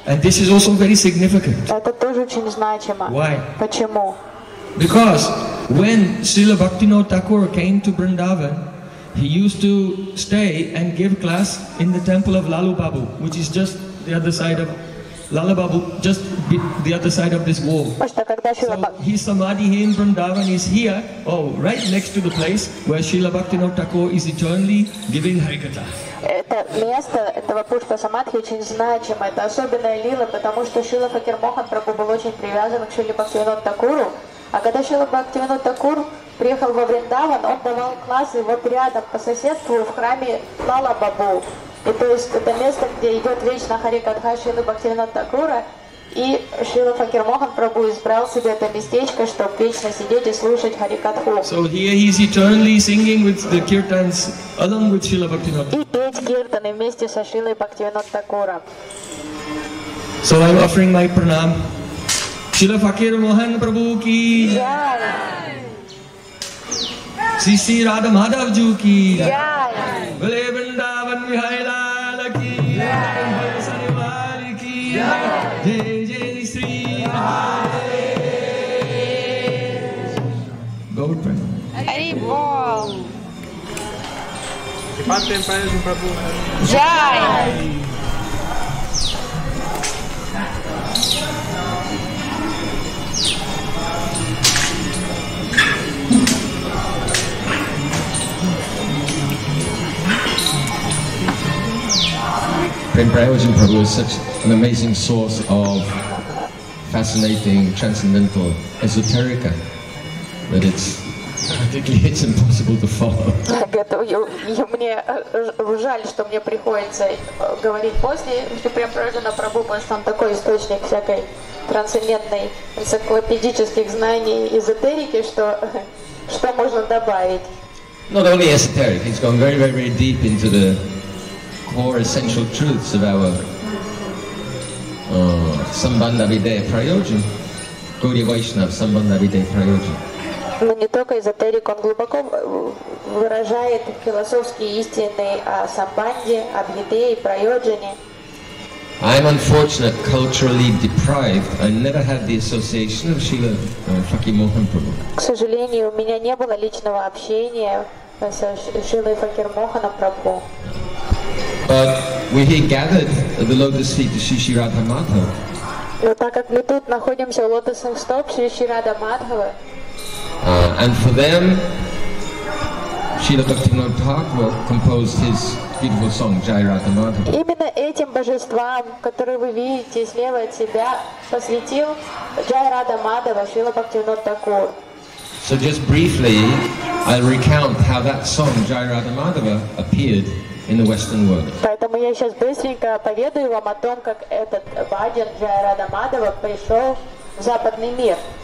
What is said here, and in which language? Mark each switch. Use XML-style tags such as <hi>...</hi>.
<en>And this is also very significant.</en> <ru>Это тоже очень значимо.</ru> <en>Why?</en> <ru>Почему?</ru> <en>Because when Srila Bhaktivinoda Thakur came to Vrindavan, he used to stay and give class in the temple of Lalu Babu, which is just the other side of Lalu Babu, just the other side of this wall. So his samadhi here in Vrindavan is here, oh, right next to the place where Srila Bhaktivinoda Thakur is eternally giving Harikatha.</en> <ru>Это место этого Пушпа Самадхи очень значимо. Это особенная лила, потому что Шрила Факирмохан Прабху был очень привязан к Шрили Бхактивинода Такуру. А когда Шрила Бхактивинода Такур приехал во Вриндаван, он давал классы вот рядом, по соседству, в храме Лала Бабу. И то есть это место, где идет вечно Харикатха Шрилы Бхактивинода Такура. И Шрила Факирмохан Прабху избрал себе это местечко, чтобы вечно сидеть и слушать Харикатху.</ru> <en>So here he is eternally singing with the kirtans along with Srila Bhaktivinoda.</en> <ru>И петь киртаны вместе со Шрилой Бхактивинода Такура.</ru> <en>So I'm offering my pranam. Шрила Факирмохан Прабху ки Jai! Sisi Radha Madhav Juki. Jai. Vale Vrindavan Vihai Lala Ki. Jai. Vale Sanivari Ki. Jai. Jai Jai Sri Mahade. Go with prayer. Hari Bol. Jai. Prem Prayavajan Prabhu is such an amazing source of fascinating, transcendental esoterica that it's practically it's impossible to follow.</en> <ru>Так это мне жаль, что мне приходится говорить после, что Прем Прайвана Прабу сам такой источник всякой трансцендентной энциклопедических знаний эзотерики, что можно добавить.</ru> <en>Not only esoteric, he's gone very, very, very deep into the core essential truths of our Sambandha Vidaya Prayojan, Gaudiya Vaishnava Sambandha Vidaya Prayojan.</en> <ru>Но не только эзотерик, он глубоко выражает философские истины о Сабанде, о Бхидее, Прайоджане.</ru> <en>I'm unfortunate, culturally deprived. I never had the association of Srila Fakirmohan Prabhu.</en> <ru>К сожалению, у меня не было личного общения с Шрилой Факирмоханом Прабху.</ru> <en>But we here gathered at the lotus feet of Sri Radha Madhava.</en> <ru>Но так как мы тут находимся у лотосных стоп Шри Радха Мадхавы.</ru> <en>And for them, Srila Bhaktivinoda Thakur composed his beautiful song, Jai Radha Madhava.</en> <ru>Именно этим божествам, которые вы видите слева от себя, посвятил Jai Radha Madhava Srila Bhaktivinoda Thakur.</ru> <en>So just briefly, I'll recount how that song, Jai Radha Madhava, appeared in the Western world.</en> <ru>Поэтому я сейчас быстренько поведаю вам о том, как этот баджан Jai Radha Madhava пришел в западный мир.</ru>